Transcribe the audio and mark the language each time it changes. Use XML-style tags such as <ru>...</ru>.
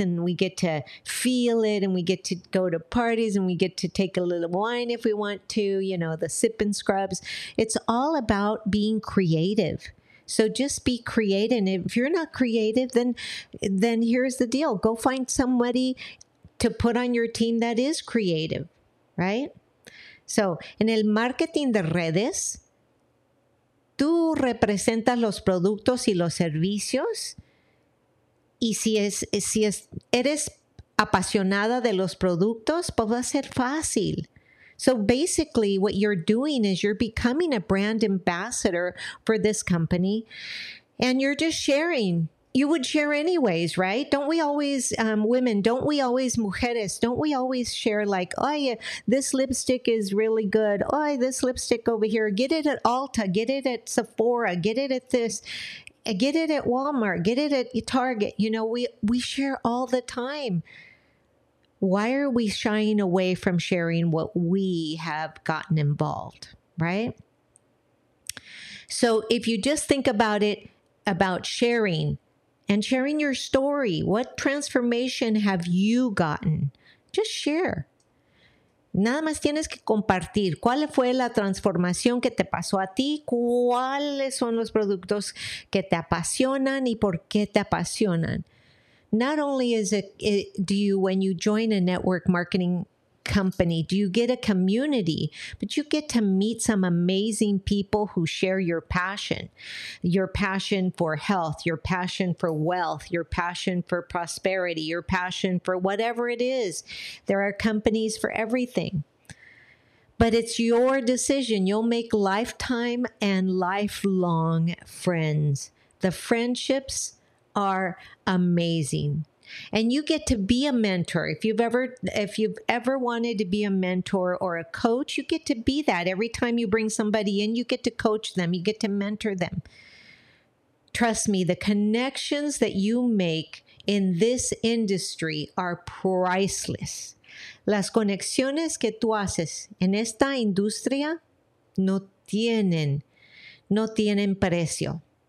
<en>And we get to feel it and we get to go to parties and we get to take a little wine if we want to, you know, the sip and scrubs. It's all about being creative. So just be creative. And if you're not creative, then here's the deal. Go find somebody to put on your team that is creative, right?</en> <es>So, en el marketing de redes, tú representas los productos y los servicios. Y si eres apasionada de los productos, pues va a ser fácil.</es> <en>So basically, what you're doing is you're becoming a brand ambassador for this company. And you're just sharing. You would share anyways, right? Don't we always, women, don't we always, mujeres, don't we always share like, oh yeah, this lipstick is really good. Oh, this lipstick over here, get it at Ulta, get it at Sephora, get it at this, get it at Walmart, get it at Target. You know, we share all the time. Why are we shying away from sharing what we have gotten involved, right? So if you just think about it, about sharing, and sharing your story. What transformation have you gotten? Just share.</en> <es>Nada más tienes que compartir. ¿Cuál fue la transformación que te pasó a ti? ¿Cuáles son los productos que te apasionan y por qué te apasionan?</es> <en>Not only is it do you, when you join a network marketing company, do you get a community, but you get to meet some amazing people who share your passion for health, your passion for wealth, your passion for prosperity, your passion for whatever it is. There are companies for everything, but it's your decision. You'll make lifetime and lifelong friends. The friendships are amazing. And you get to be a mentor. If you've ever wanted to be a mentor or a coach, you get to be that. Every time you bring somebody in, you get to coach them. You get to mentor them. Trust me, the connections that you make in this industry are priceless.</en> <es>Las conexiones que tú haces en esta industria no tienen precio.</es>